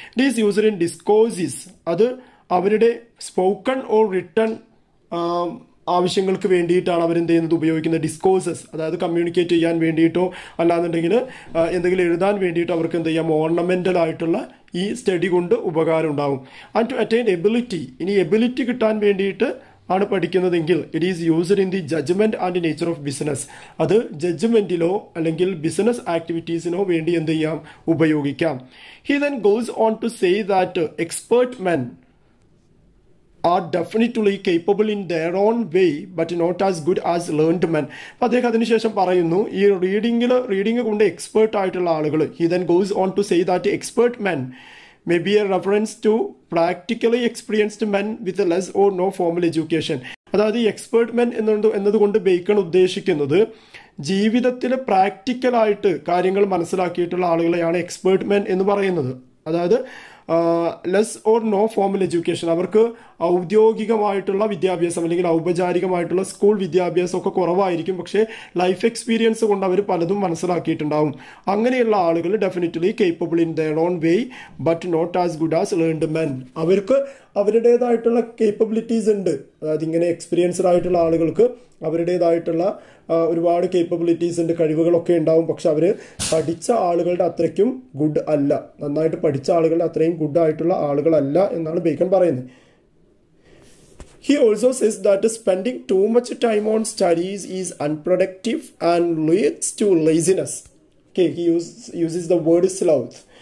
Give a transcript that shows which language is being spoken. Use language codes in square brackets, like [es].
[en] It is used in discourses, [ml] adu അവരുടെ spoken or written ആവശ്യങ്ങൾക്ക് വേണ്ടിയിട്ടാണ് അവരെന്ത് ചെയ്യുന്നത്, ഉപയോഗിക്കുന്നത് ഡിസ്കോഴ്സസ്, അതായത് കമ്മ്യൂണിക്കേറ്റ് ചെയ്യാൻ വേണ്ടിയിട്ടോ അല്ലാന്നുണ്ടെങ്കിൽ എന്തെങ്കിലും എഴുതാൻ വേണ്ടിയിട്ടോ അവർക്ക് എന്ത് ചെയ്യാം, ഓർണമെൻ്റലായിട്ടുള്ള ഈ സ്റ്റഡി കൊണ്ട് ഉപകാരം ഉണ്ടാകും. [en] and to attain ability, [ml] ഇനി എബിലിറ്റി കിട്ടാൻ വേണ്ടിയിട്ട് ആണ് പഠിക്കുന്നതെങ്കിൽ [en] it is used in the judgement and nature of business, [ml] അത് ജഡ്ജ്മെൻറ്റിലോ അല്ലെങ്കിൽ ബിസിനസ് ആക്ടിവിറ്റീസിനോ വേണ്ടി എന്ത് ചെയ്യാം, ഉപയോഗിക്കാം. He then goes on to say that expert men [en] are definitely capable in their own way, but not as good as learned men. [ml] അദ്ദേഹം അതിനുശേഷം പറയുന്നു, ഈ റീഡിങ്ങിൽ റീഡിംഗ് കൊണ്ട് എക്സ്പേർട്ട് ആയിട്ടുള്ള ആളുകൾ, [en] He then goes on to say that expert men may be a reference to practically experienced men with less or no formal education. [ml] അതായത് ഈ expert men എന്നതുകൊണ്ട് ബേക്കൺ ഉദ്ദേശിക്കുന്നത് ജീവിതത്തിൽ പ്രാക്ടിക്കലായിട്ട് കാര്യങ്ങൾ മനസ്സിലാക്കിയിട്ടുള്ള ആളുകളെയാണ് എക്സ്പേർട്ട് മെൻ എന്ന് പറയുന്നത്. അതായത് [en] less or no formal education, [ml] അവർക്ക് ഔദ്യോഗികമായിട്ടുള്ള വിദ്യാഭ്യാസം അല്ലെങ്കിൽ ഔപചാരികമായിട്ടുള്ള സ്കൂൾ വിദ്യാഭ്യാസം ഒക്കെ കുറവായിരിക്കും, പക്ഷേ ലൈഫ് എക്സ്പീരിയൻസ് കൊണ്ട് അവർ പലതും മനസ്സിലാക്കിയിട്ടുണ്ടാവും. അങ്ങനെയുള്ള ആളുകൾ [en] Definitely capable in their own way but not as good as learned men. [ml] അവർക്ക് അവരുടേതായിട്ടുള്ള കേപ്പബിലിറ്റീസ് ഉണ്ട്, അതായത് ഇങ്ങനെ എക്സ്പീരിയൻസ്ഡ് ആയിട്ടുള്ള ആളുകൾക്ക് അവരുടേതായിട്ടുള്ള ഒരുപാട് കേപ്പബിലിറ്റീസ് ഉണ്ട്, കഴിവുകളൊക്കെ ഉണ്ടാവും, പക്ഷെ അവർ പഠിച്ച ആളുകളുടെ അത്രയ്ക്കും ഗുഡ് അല്ല, നന്നായിട്ട് പഠിച്ച ആളുകളുടെ അത്രയും ഗുഡ് ആയിട്ടുള്ള ആളുകളല്ല എന്നാണ് ബേക്കൺ പറയുന്നത്. [en] He also says that spending too much time on studies is unproductive and leads to laziness. Okay, he uses the word sloth.